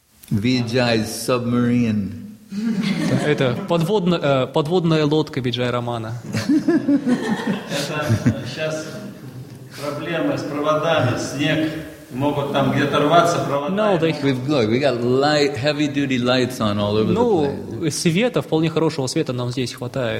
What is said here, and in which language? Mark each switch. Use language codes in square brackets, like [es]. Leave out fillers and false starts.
[en] Vijay submarine. [ru] Это подводная лодка Виджай Романа. Это сейчас проблемы с проводами, снег могут там где-то рваться провода. [en] We got light, heavy duty lights on all over the place. [ru] Ну, света, вполне хорошего света нам здесь хватает.